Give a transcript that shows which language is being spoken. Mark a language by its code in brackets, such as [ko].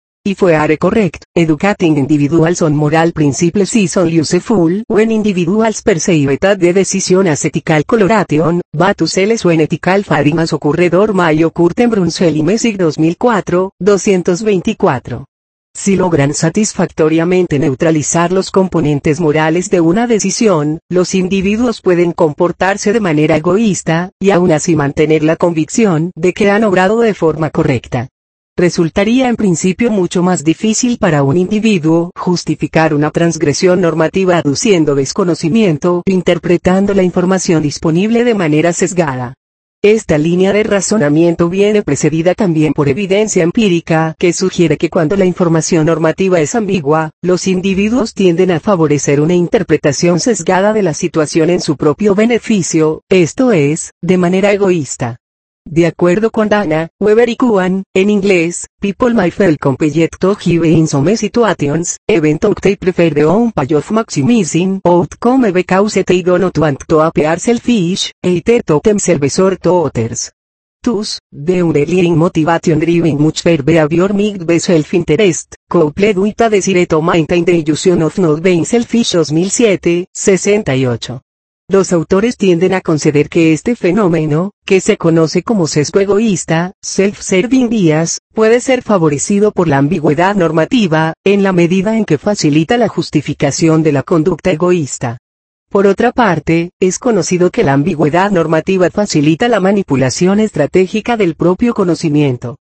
[en] If we are correct, educating individuals on moral principles is only useful when individuals perceive that the decision as ethical coloration, but useless when ethical fading has occurred or may occur in Brunsel y Messig 2004, 224. [es] Si logran satisfactoriamente neutralizar los componentes morales de una decisión, los individuos pueden comportarse de manera egoísta, y aún así mantener la convicción de que han obrado de forma correcta. Resultaría en principio mucho más difícil para un individuo justificar una transgresión normativa aduciendo desconocimiento e interpretando la información disponible de manera sesgada. Esta línea de razonamiento viene precedida también por evidencia empírica que sugiere que cuando la información normativa es ambigua, los individuos tienden a favorecer una interpretación sesgada de la situación en su propio beneficio, esto es, de manera egoísta. De acuerdo con Dana, Weber y Kuhn, en inglés, [en] people may feel compelled to give in some situations, even though they prefer the own pay of maximizing outcome because they do not want to appear selfish, either to themselves or to others. Thus, the underlying motivation driving much fair behavior might be self-interest, coupled with a desire to maintain the illusion of not being selfish 2007, 68. [es] Los autores tienden a conceder que este fenómeno, que se conoce como sesgo egoísta, [en] self-serving bias, [es] puede ser favorecido por la ambigüedad normativa, en la medida en que facilita la justificación de la conducta egoísta. Por otra parte, es conocido que la ambigüedad normativa facilita la manipulación estratégica del propio conocimiento.